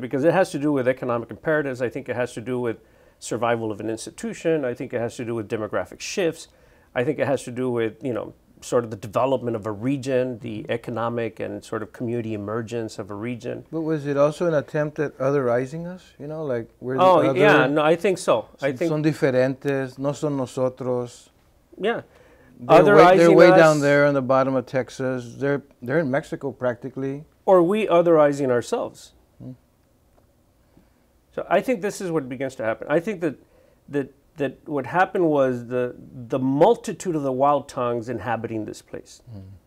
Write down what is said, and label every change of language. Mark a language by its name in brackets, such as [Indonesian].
[English] Because it has to do with economic imperatives. I think it has to do with survival of an institution. I think it has to do with demographic shifts. I think it has to do with, you know, sort of the development of a region, the economic and sort of community emergence of a region. But was it also an attempt at otherizing us? You know, like we're the other? Oh, yeah. No, I think so. I think [Spanish] son diferentes, no son nosotros. [English] Yeah. They're way down there in the bottom of Texas. They're in Mexico practically. Or we otherizing ourselves. So I think this is what begins to happen. I think that what happened was the multitude of the wild tongues inhabiting this place. Mm-hmm.